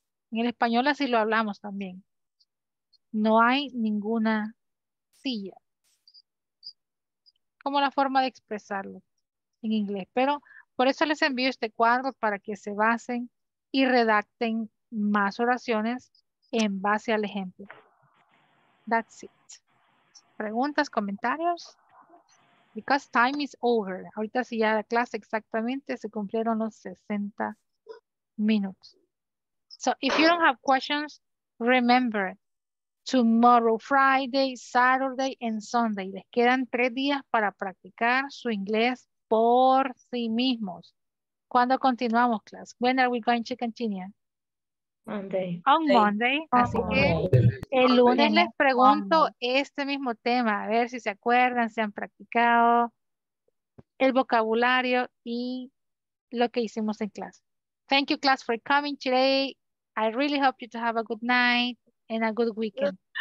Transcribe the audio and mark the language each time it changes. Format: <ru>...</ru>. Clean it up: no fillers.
<es>En el español así lo hablamos también, no hay ninguna silla, como la forma de expresarlo en inglés, pero por eso les envío este cuadro para que se basen y redacten más oraciones en base al ejemplo. That's it.</es> <en>¿Preguntas, comentarios? Because time is over.</en> <es>Ahorita sí ya la clase exactamente se cumplieron los 60 minutos.</es> <en>So if you don't have questions, remember, tomorrow Friday, Saturday and Sunday.</en> <es>Les quedan 3 días para practicar su inglés por sí mismos.</es> <en>¿Cuándo continuamos, class? When are we going to continue? Monday. On Monday.</en> <es>Así que el lunes les pregunto este mismo tema, a ver si se acuerdan, si han practicado el vocabulario y lo que hicimos en clase.</es> <en>Thank you, class, for coming today. I really hope you to have a good night and a good weekend.</en>